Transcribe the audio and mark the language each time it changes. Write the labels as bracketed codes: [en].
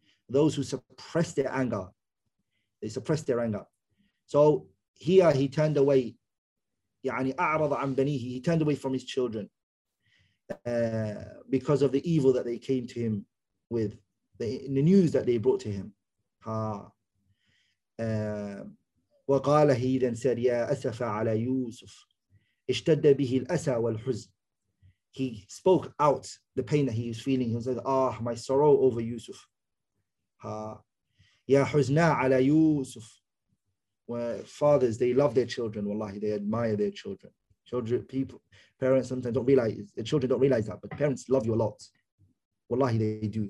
[en] Those who suppress their anger, they suppress their anger. So here he turned away, yani a'rada an banihi, he turned away from his children because of the evil that they came to him with, the news that they brought to him. [ar] وقال [en] he then said [ar] يا أسف على يوسف اشتد به الأسى والحزن. [en] He spoke out the pain that he was feeling. He said, Ah, my sorrow over Yusuf. [ar] يا حزنا على يوسف. [en] Fathers, they love their children. Wallahi, they admire their children. Parents sometimes don't realize, the children don't realize that, but parents love you a lot. Wallahi, they do.